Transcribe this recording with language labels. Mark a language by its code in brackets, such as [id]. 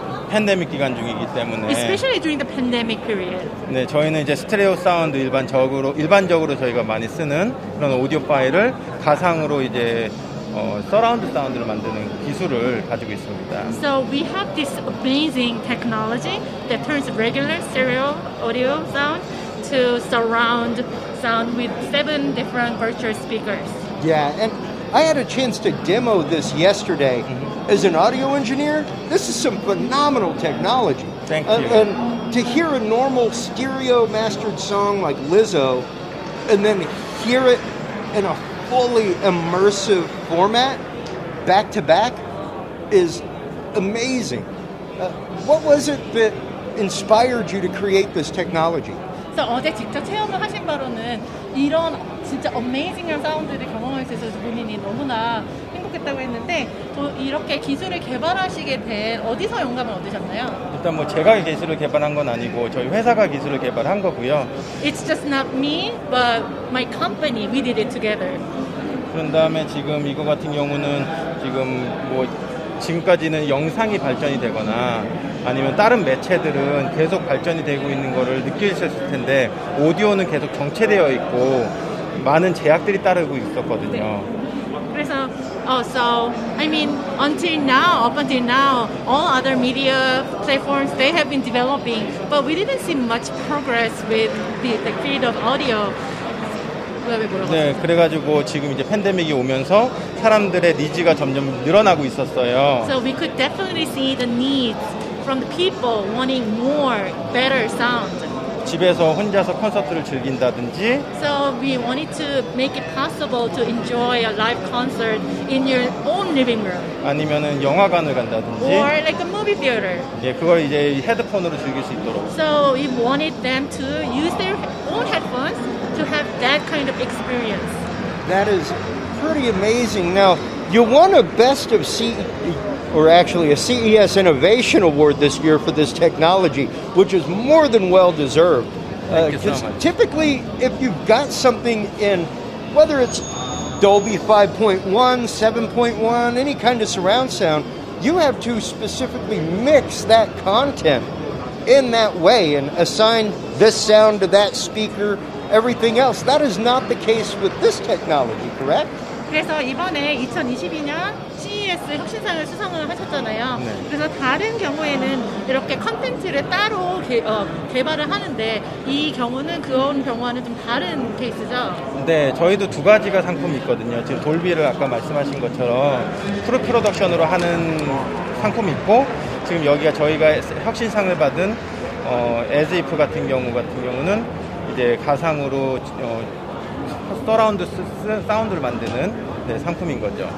[ko] 팬데믹 기간 중이기 때문에. [en] Especially during the pandemic period. [ko] 네, 저희는 이제 스테레오 사운드 일반적으로 저희가 많이 쓰는 그런 오디오 파일을 가상으로 이제 서라운드 사운드를 만드는 기술을 가지고 있습니다. [en] So we have this amazing technology that turns regular stereo audio sound to surround sound with 7 different virtual speakers. Yeah, and I had a chance to demo this yesterday. Mm-hmm. As an audio engineer, this is some phenomenal technology. Thank you. And to hear a normal stereo mastered song like Lizzo and then hear it in a fully immersive format back to back is amazing. What was it that inspired you to create this technology? [ko] So 어제 직접 체험을 하신 바로는 이런 진짜 amazing한 사운드를 경험할 수 있어서 본인이 너무나 행복했다고 했는데 또 이렇게 기술을 개발하시게 된 어디서 영감을 얻으셨나요? 일단 뭐 제가 기술을 개발한 건 아니고 저희 회사가 기술을 개발한 거고요. [en] It's just not me, but my company. We did it together. [ko] 그런 다음에 지금 이거 같은 경우는 지금 뭐 지금까지는 영상이 발전이 되거나 아니면 다른 매체들은 계속 발전이 되고 있는 거를 느끼셨을 텐데 오디오는 계속 정체되어 있고 많은 제약들이 따르고 있었거든요. 네. [en] 그래서 up until now, all other media platforms they have been developing, but we didn't see much progress with the field of audio. [ko] 네, 그래가지고 지금 이제 팬데믹이 오면서 사람들의 니즈가 점점 늘어나고 있었어요. [en] So we could definitely see the needs from the people wanting more, better sound. [ko] 집에서 혼자서 콘서트를 즐긴다든지. [en] So we wanted to make it possible to enjoy a live concert in your own living room. [ko] 아니면은 영화관을 간다든지. [en] Or like a movie theater. [ko] 예, 그걸 이제 헤드폰으로 즐길 수 있도록. [en] So we wanted them to use their own headphones. To have that kind of experience. That is pretty amazing. Now, you won a best of C or actually a CES Innovation Award this year for this technology, which is more than well deserved. Thank you so much. Typically, if you've got something in, whether it's Dolby 5.1, 7.1, any kind of surround sound, you have to specifically mix that content in that way and assign this sound to that speaker, everything else. That is not the case with this technology, correct? [ko] 그래서 이번에 2022년 CES 혁신상을 수상을 하셨잖아요. 네. 그래서 다른 경우에는 이렇게 컨텐츠를 따로 개발을 하는데 이 경우는 그런 경우와는 좀 다른 케이스죠? 네, 저희도 두 가지가 상품이 있거든요. 지금 돌비를 아까 말씀하신 것처럼 프로 프로덕션으로 하는 상품이 있고 지금 여기가 저희가 혁신상을 받은 As If 같은 경우는 이제 가상으로 서라운드 사운드를 만드는 상품인 거죠.